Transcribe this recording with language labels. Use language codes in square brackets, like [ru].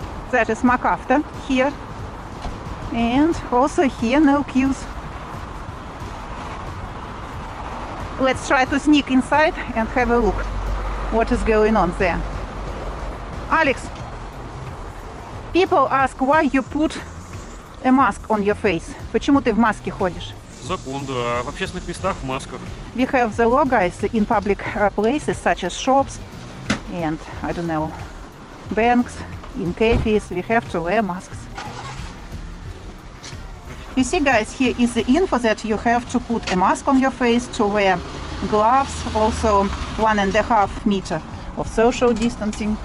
[en] That is MacArthur here. And also here, no queues. Let's try to sneak inside and have a look what is going on there. Alex, people ask why you put a mask on your face. [ru] Почему ты в маске ходишь? Закон, да. В общественных местах в масках. [en] We have the law, guys, in public places such as shops and, I don't know, banks, in cafes, we have to wear masks. You see, guys, here is the info that you have to put a mask on your face, to wear gloves, also 1.5 meters of social distancing.